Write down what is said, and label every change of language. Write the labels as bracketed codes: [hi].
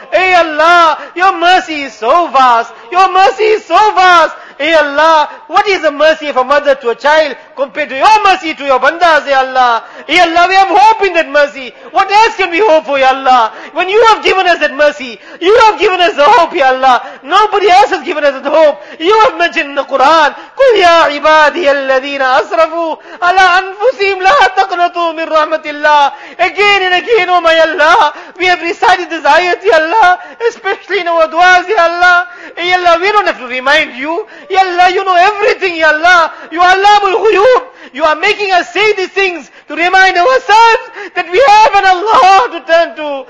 [en] Hey Allah, your mercy is so vast. Your mercy is so vast. Hey Allah, what is the mercy of a mother to a child compared to your mercy to your bandas, Ya Allah? Hey Allah, we have hope in that mercy. What else can we hope for, Ya Allah? When you have given us that mercy, you have given us the hope, Ya Allah. Nobody else has given us the hope. You have mentioned in the Quran, [ar] قُلْ يَا عِبَادِيَ الَّذِينَ أَسْرَفُوا عَلَىٰ أَنفُسِهِمْ لَا تَقْنَطُوا مِنْ رَحْمَةِ اللَّهِ. [en] Again and again, oh my Allah, we have recited this ayat, Ya Allah, especially in our duas, Ya Allah. Hey Allah, we don't have to remind you. Ya Allah, you know everything, Ya Allah. You are Allahul Ghuyub. You are making us say these things to remind ourselves that we have an Allah to turn to.